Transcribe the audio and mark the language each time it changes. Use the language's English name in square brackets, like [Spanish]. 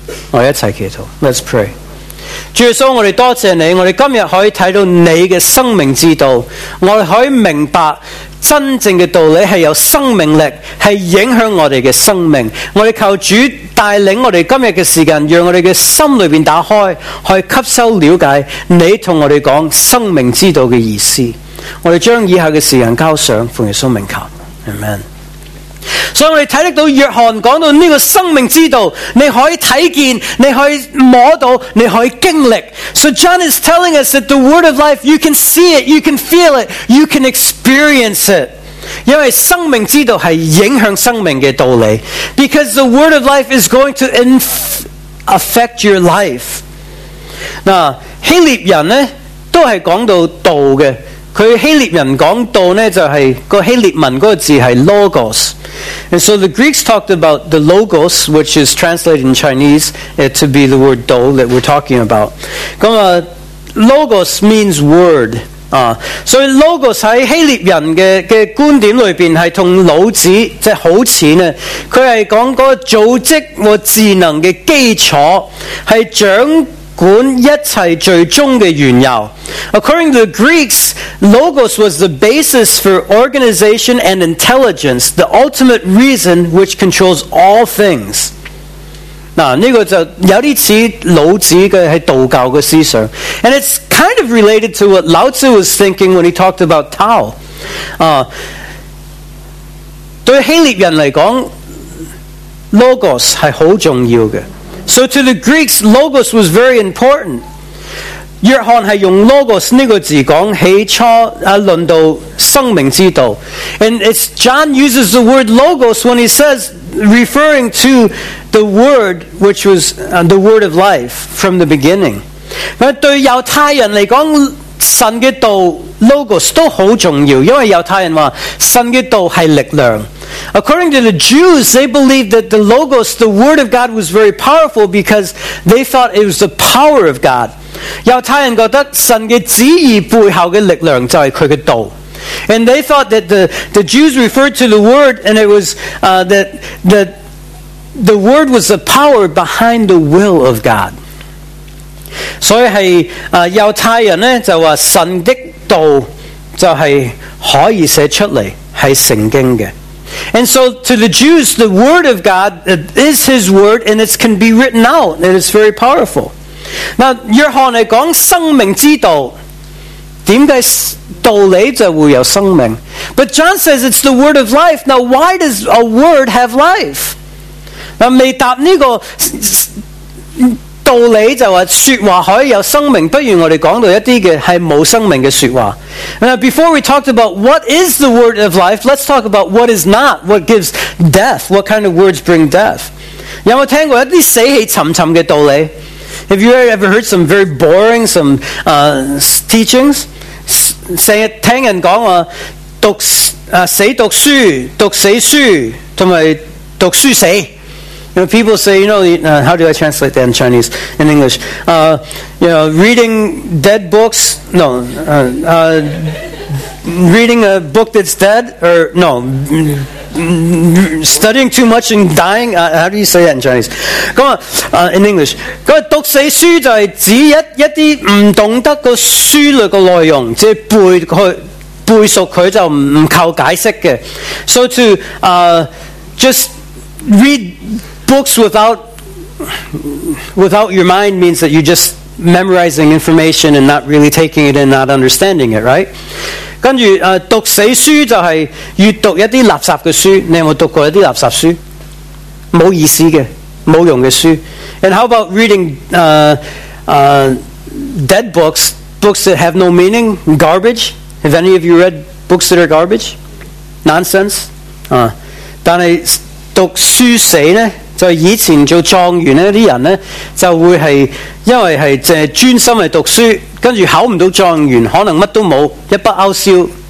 [Chinese] 我一起祈祷。 [English] Let's pray. [Chinese] 主耶稣，我们多谢你，我们今天可以看到你的生命之道，我们可以明白真正的道理是有生命力，是影响我们的生命。我们求主带领我们今天的时间，让我们的心里面打开，可以吸收了解你跟我们讲生命之道的意思。我们将以下的时间交上，奉耶稣名求， Amen。所以我们看得到约翰讲到这个生命之道，你可以看见，你可以摸到，你可以经历。 [English] So John is telling us that the word of life, you can see it, you can feel it, you can experience it. [Chinese] 因为生命之道是影响生命的道理。 [English] Because the word of life is going to affect your life. [Chinese] 那希腊人呢都是讲到道的，他希腊人讲道呢，就是个希腊文那个字是 logos。 [English] And so the Greeks talked about the logos, which is translated in Chinese to be the word 道 that we're talking about. Logos means word. [Chinese] 所以 logos 在希腊人 的观点里面是跟老子即好似呢，他是讲个组织和智能的基础，是掌管一切最终的缘由。 [English] According to the Greeks, logos was the basis for organization and intelligence, the ultimate reason which controls all things. [Chinese] 那这个就有点像老子的在道教的思想。 [English] And it's kind of related to what Lao Tzu was thinking when he talked about Tao. [Chinese] 对希腊人来讲， logos 是很重要的。 [English] So to the Greeks, logos was very important. [Chinese] 约翰是用 logos 这个字讲起初论到生命之道。 [English] And it's John uses the word logos when he says, referring to the word which was the word of life from the beginning. [Chinese] 对犹太人来讲，神的道 logos 都很重要，因为犹太人说神的道是力量。 [English] According to the Jews, they believed that the Logos, the Word of God, was very powerful because they thought it was the power of God. [Chinese] 犹太人觉得神的旨意背后的力量就是他的道。 [English] And they thought that the Jews referred to the Word, and it was that the Word was the power behind the will of God. [Chinese] 所以是犹太人呢就说神的道就是可以写出来，是圣经的。 [English] And so to the Jews, the word of God is his word, and it can be written out, and it's very powerful. [Chinese] Now, 约翰来讲生命之道，为什么道理就会有生命？ [English] But John says it's the word of life. Now, why does a word have life? [Chinese] 那未答这个道理就是说话可以有生命，不如我们讲到一些是没有生命的说话。 [English] Now, before we talked about what is the word of life, let's talk about what is not, what gives death, what kind of words bring death. [Chinese] 有没有听过一些死气沉沉的道理？ [English] Have you ever heard some very boring, some teachings? [Chinese] 听人讲话，死读书，读死书，还有读书死。 [English] You know, people say, you know, how do I translate that in Chinese, in English? Reading dead books, reading a book that's dead, or no, studying too much and dying, how do you say that in Chinese? Come on, in English. [Chinese] 读死书就是指一些不懂得个书里的内容，即背它，背熟它就不靠解释的。 [English] So to just read books without your mind means that you're just memorizing information and not really taking it in, not understanding it, right? [Chinese] 跟住读死书就是阅读一些垃圾的书，你有没有读过一些垃圾书？没意思的，没用的书。 [English] And how about reading dead books, books that have no meaning, garbage. Have any of you read books that are garbage? Nonsense? Dan duk su say ne? So yi tin jo chong yun ri an ne? So we hai yao hai zhe jun sam le duk su, gan ju hao mdu chong yun, hao nang ma du mo, ye ba ao xiu.